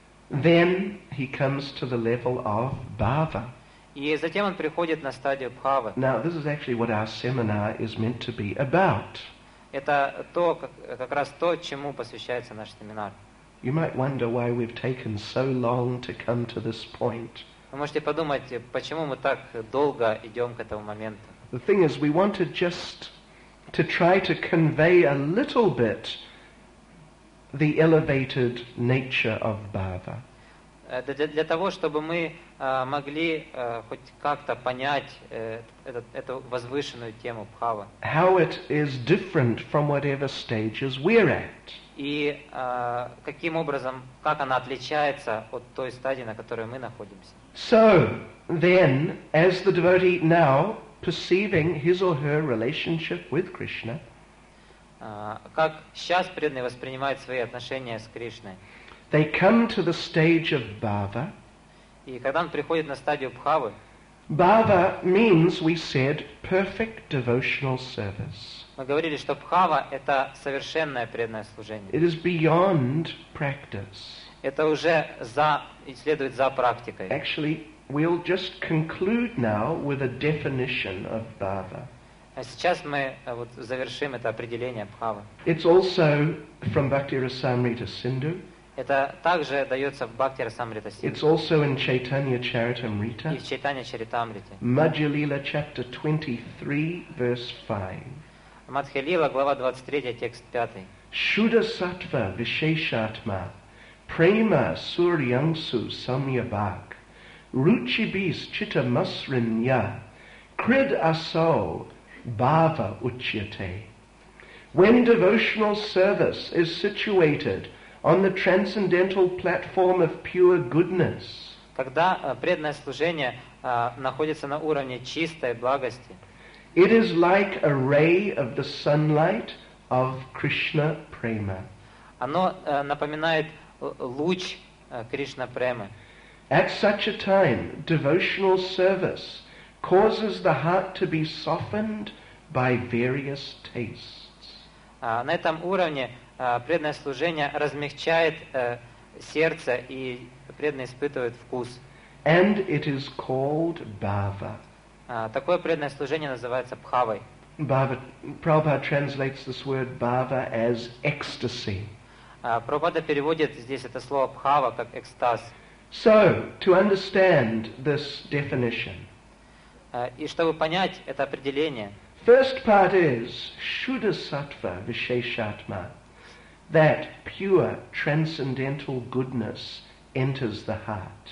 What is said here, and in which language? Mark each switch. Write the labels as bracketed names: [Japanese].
[English] Then he comes to the level of Bhava. [Russian] И затем он приходит на стадию Бхавы. [English] Now this is actually what our seminar is meant to be about. [Russian] Это то, как раз то, чему посвящается наш семинар. [English] You might wonder why we've taken so long to come to this point. [Russian] Вы можете подумать, почему мы так долго идем к этому моменту. [English] The thing is, we wanted just to try to convey a little bit the elevated nature of Bhava. [Russian] Для того, чтобы мы могли хоть как-то понять эту возвышенную тему Бхавы. [English] How it is different from whatever stages we're at. [Russian] И каким образом, как она отличается от той стадии, на которой мы находимся. [English] So, then, as the devotee now, perceiving his or her relationship with Krishna, [Russian] как сейчас преданный воспринимает свои отношения с Кришной, [English] they come to the stage of Bhava. [Russian] И когда он приходит на стадию Бхавы, [English] Bhava means, we said, perfect devotional service. [Russian] Мы говорили, что Бхава — это совершенное преданное служение. [English] It is beyond practice. [Russian] Это уже за, следует за практикой. [English] Actually, we'll just conclude now with a definition of Bhava. [Russian] А сейчас мы вот завершим это определение Бхавы. [English] It's also from Bhakti Rasamrita Sindhu. [Russian] Это также дается в Бхакти Расамрита Синдху. [English] It's also in Chaitanya Charitamrita. [Russian] И в Чайтанья Чаритамрите. [English] Маджхалила, chapter 23, verse 5. [Russian] Маджхалила, глава 23, текст 5. [Sanskrit] Шуда сатва вишешатма, према сурьянсу самьябак, ручибис чита масринья, крид асоу, Bhava Uchyate. [English] When devotional service is situated on the transcendental platform of pure goodness, [Russian] когда преданное служение находится на уровне чистой благости, [English] it is like a ray of the sunlight of Krishna Prema. [Russian] Оно напоминает луч Кришна Премы. [English] At such a time, devotional service causes the heart to be softened by various tastes. [Russian] На этом уровне преданное служение размягчает сердце, и преданный испытывает вкус. [English] And it is called Bhava. [Russian] Такое преданное служение называется Бхавой. [English] Bhava, Prabhupada translates this word Bhava as ecstasy. [Russian] Прабхупада переводит здесь это слово Бхава как экстаз. [English] So, to understand this definition, [Russian] и чтобы понять это определение. [English] First part is Shuddha Sattva Visheshatma, that pure transcendental goodness enters the heart.